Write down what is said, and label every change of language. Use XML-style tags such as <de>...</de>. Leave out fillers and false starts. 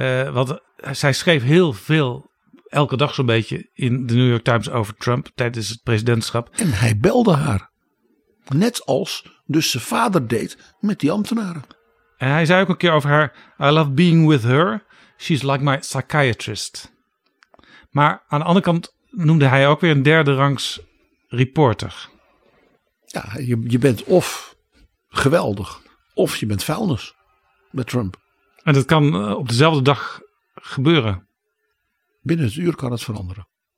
<nl>Want zij schreef heel veel, elke dag zo'n beetje, in de New York Times over Trump tijdens het presidentschap. En hij belde haar. Net als dus zijn vader deed met die ambtenaren. En hij zei ook een keer over haar,</nl> <en>I love being with her. She's like my psychiatrist.</en> <nl>Maar aan de andere kant noemde hij ook weer een derde rangs reporter. Ja, je bent of geweldig, of je bent vuilnis met Trump. En dat kan op dezelfde dag gebeuren. Binnen het uur kan het veranderen.</nl>